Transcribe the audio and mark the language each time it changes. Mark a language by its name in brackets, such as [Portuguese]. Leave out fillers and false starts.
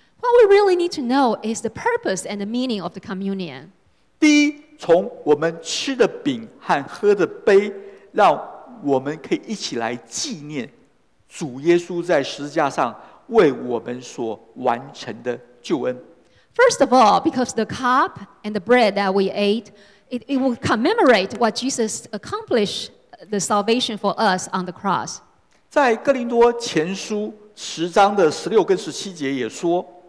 [English] What we really need to know is the purpose and the meaning of the communion. [Chinese] 第一，从我们吃的饼和喝的杯，让我们可以一起来纪念主耶稣在十字架上为我们所完成的救恩。 [English] First of all, because the cup and the bread that we ate, it will commemorate what Jesus accomplished, the salvation for us on the cross. [Chinese] 在哥林多前书十章的十六跟十七节也说，